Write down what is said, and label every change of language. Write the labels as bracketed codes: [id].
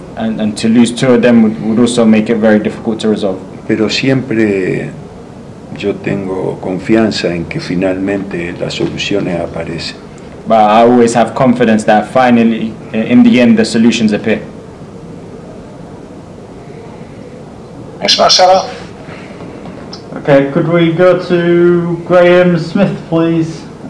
[en] And to lose 2 of them would also make it very difficult to resolve. [es] Pero siempre yo tengo confianza en que finalmente las soluciones aparecen. [en] But I always have confidence that finally, in the end, the solutions appear. Thanks, Marcelo. Okay, could we go to Graham Smith, please?